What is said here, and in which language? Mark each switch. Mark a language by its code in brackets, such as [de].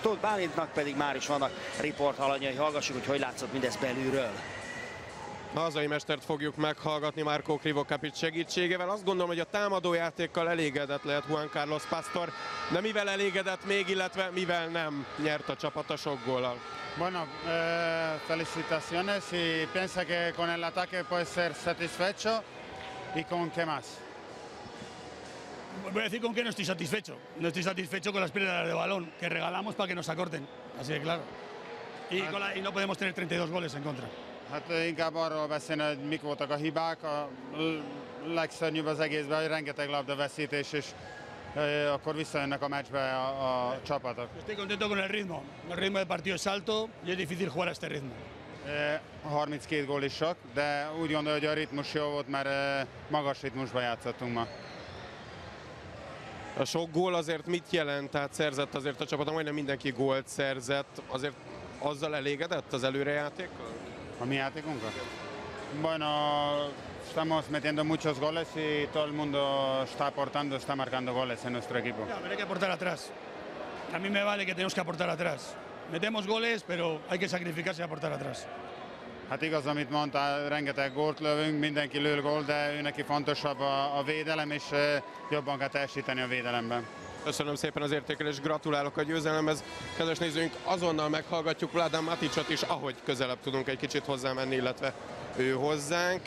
[hu] Tóth Bálintnak pedig már is vannak riporthalanyai. Hallgassuk, hogy látszott mindez belülről. A hazai mestert fogjuk meghallgatni Marco Krivokapić segítségével. Azt gondolom, hogy a támadójátékkal elégedett lehet Juan Carlos Pastor, de mivel elégedett még, illetve mivel nem nyert a csapat a sok góllal? [es] Bueno, felicitaciones y piensa que con el ataque puede ser satisfecho y con qué más. Voy a decir con que no estoy satisfecho. No estoy satisfecho con las pérdidas de balón que regalamos para que nos acorten. Así de claro. Y, con la, y no podemos tener 32 goles en contra. [hu] Hát inkább arról beszélni, hogy mik voltak a hibák, a legszörnyűbb az egészben, hogy rengeteg labdaveszítés, és akkor visszajönnek a meccsbe a csapatok. [es] Estoy contento con el ritmo. El ritmo del partido es alto y es difícil jugar a este ritmo. [hu] 32 gól is sok, de úgy gondolja, hogy a ritmus jó volt, mert magas ritmusban játszottunk ma. A sok gól azért mit jelent? Tehát szerzett azért a csapat, majdnem mindenki gólt szerzett, azért azzal elégedett az előrejátékkal? A mi játékunkra? [es] Bueno, estamos metiendo muchos goles y todo el mundo está aportando, está marcando goles en nuestro equipo. Ya, pero hay que aportar atrás. A mí me vale que tenemos que aportar atrás. Metemos goles, pero hay que sacrificarse y aportar atrás. [hu] Hát igaz, amit mondtál, rengeteg gólt lövünk, mindenki lő gól, de ő neki fontosabb a védelem, és jobban kell teljesíteni a védelemben. Köszönöm szépen az értékelést, gratulálok a győzelemhez. Kedves nézőink, azonnal meghallgatjuk Vladan Maticsot is, ahogy közelebb tudunk egy kicsit hozzámenni, illetve ő hozzánk.